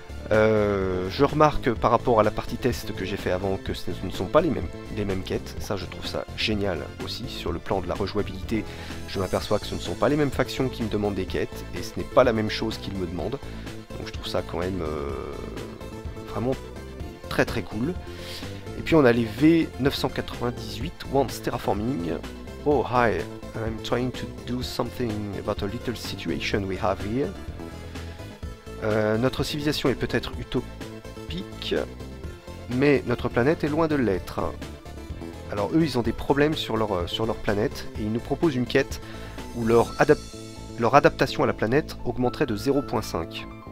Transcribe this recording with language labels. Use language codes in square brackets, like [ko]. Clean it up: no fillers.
[fr] Je remarque par rapport à la partie test que j'ai fait avant que ce ne sont pas les mêmes quêtes, ça je trouve ça génial aussi. Sur le plan de la rejouabilité, je m'aperçois que ce ne sont pas les mêmes factions qui me demandent des quêtes, et ce n'est pas la même chose qu'ils me demandent, donc je trouve ça quand même vraiment très très cool. Et puis on a les V998, Wants Terraforming. [en] Oh hi, I'm trying to do something about a little situation we have here. [fr] Notre civilisation est peut-être utopique, mais notre planète est loin de l'être. Alors eux, ils ont des problèmes sur leur planète, et ils nous proposent une quête où leur adaptation à la planète augmenterait de 0,5.